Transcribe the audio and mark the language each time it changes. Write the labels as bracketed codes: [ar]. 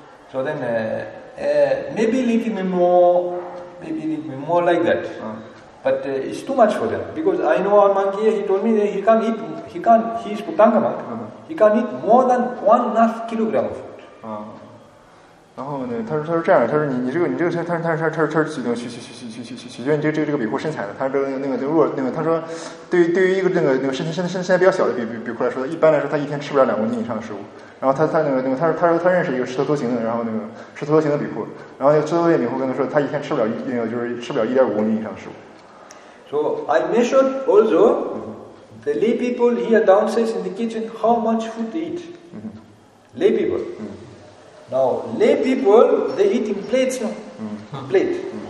[en] So then, maybe a little bit more, like that. But it's too much for them, because I know one monk here, he told me that he's Tutanga monk, he can't eat more than 1.5 kilogram of food. [zh] 然后呢，他说这样，他说你这个，他说你这个比库身材的，他说那个，他说对于一个那个身材比较小的比库来说，一般来说他一天吃不了2公斤以上的食物。然后他那个，他说他认识一个狮驼型的，然后那个狮驼型的比库，然后狮驼型比库跟他说，他一天吃不了就是吃不了1.5公斤以上的食物。 [en] So I measured also the lay people here downstairs in the kitchen how much food they eat. Lay people. Now, lay people, they eat in plates, no? Plate.